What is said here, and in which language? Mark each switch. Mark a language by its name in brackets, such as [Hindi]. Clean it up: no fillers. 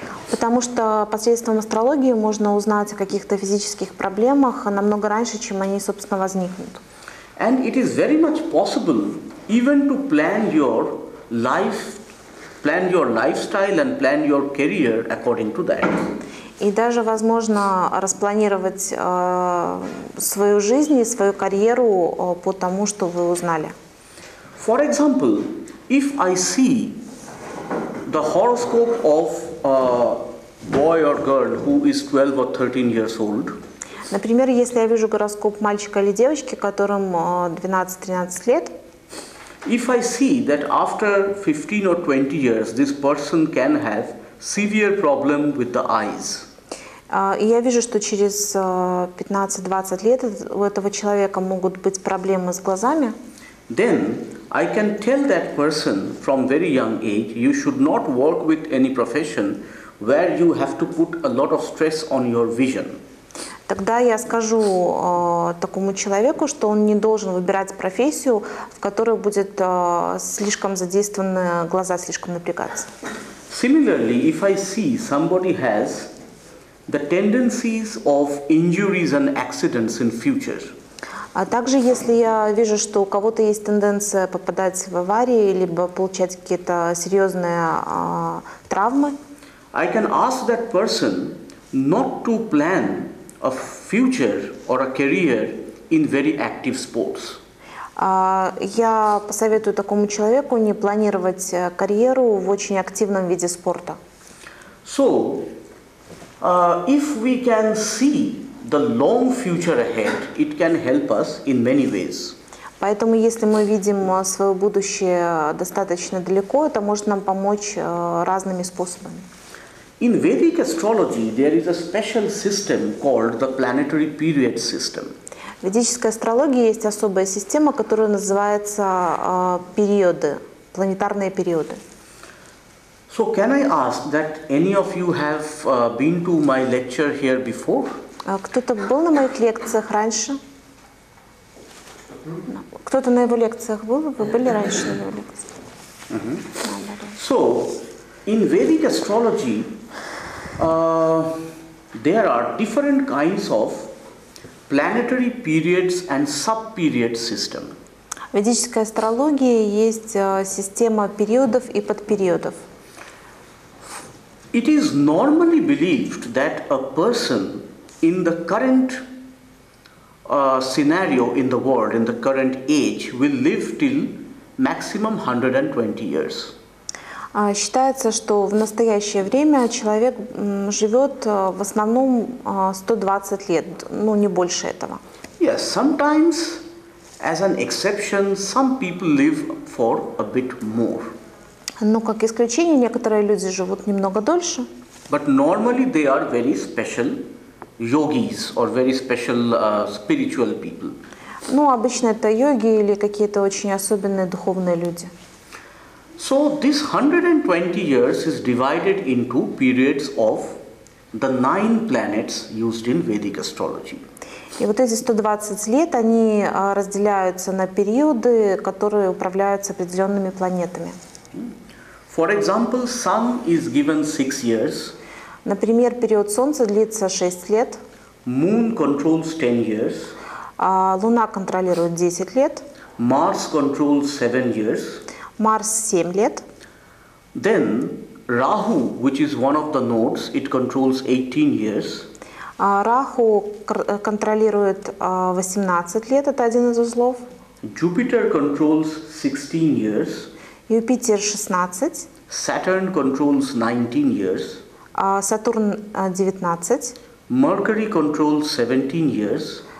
[Russian] Потому что посредством астрологии можно узнать о каких-то физических проблемах намного раньше, чем они, собственно, возникнут. [English] And it is very much possible even to plan your lifestyle and plan your career according to that. [Russian] И даже, возможно, распланировать свою жизнь и свою карьеру по тому, что вы узнали. [English] For example, if I see the horoscope of a boy or girl who is 12 or 13 years old. [Russian] Например, если я вижу гороскоп мальчика или девочки, которым 12-13 лет. [English] If I see that after 15 or 20 years this person can have severe problem with the eyes. [Russian] Я вижу, что через 15-20 лет у этого человека могут быть проблемы с глазами. [English] Then I can tell that person from very young age, you should not work with any profession where you have to put a lot of stress on your vision. [Russian] Тогда я скажу такому человеку, что он не должен выбирать профессию, в которой будет слишком задействованы глаза, слишком напрягаться. [English] Similarly, if I see somebody has the tendencies of injuries and accidents in future. [Russian] А также, если я вижу, что у кого-то есть тенденция попадать в аварии либо получать какие-то серьезные травмы, [English] I can ask that person not to plan a future or a career in very active sports. [Russian] Я посоветую такому человеку не планировать карьеру в очень активном виде спорта. [English] So, if we can see the long future ahead, it can help us in many ways. [Russian] Поэтому, если мы видим свое будущее достаточно далеко, это может нам помочь разными способами. [English] In Vedic astrology, there is a special system called the planetary period system. [Russian] В ведической астрологии есть особая система, которая называется периоды, планетарные периоды. [English] So, can I ask that any of you have been to my lecture here before? [Russian] Кто-то был на моих лекциях раньше? Кто-то на его лекциях был? Вы были раньше на его лекциях? [English] So, in Vedic astrology, there are different kinds of planetary periods and sub-period system. [Russian] В ведической астрологии есть система периодов и подпериодов. [English] It is normally believed that a person in the current scenario in the world, in the current age, will live till maximum 120 years. [Russian] Считается, что в настоящее время человек живет в основном 120 лет, ну не больше этого. [English] Yes, sometimes, as an exception, some people live for a bit more. [Russian] Но как исключение, некоторые люди живут немного дольше. [English] But normally they are very special yogis or very special spiritual people. [Russian] Ну, обычно это йоги или какие-то очень особенные духовные люди. [English] So this 120 years is divided into periods of the nine planets used in Vedic astrology. [Russian] И вот эти 120 лет, они разделяются на периоды, которые управляются определенными планетами. [English] For example, Sun is given 6 years. [Russian] Например, период Солнца длится 6 лет. [English] Moon controls 10 years. [Russian] Луна контролирует 10 лет. [English] Mars controls 7 years. [Russian] Марс 7 лет. [English] Then Rahu, which is one of the nodes, it controls 18 years. [Russian] Раху контролирует 18 лет, это один из узлов. [English] Jupiter controls 16 years. [Russian] Юпитер 16. [English] Saturn controls 19 years. [Russian] Сатурн 19. [English] Mercury controls 17 years.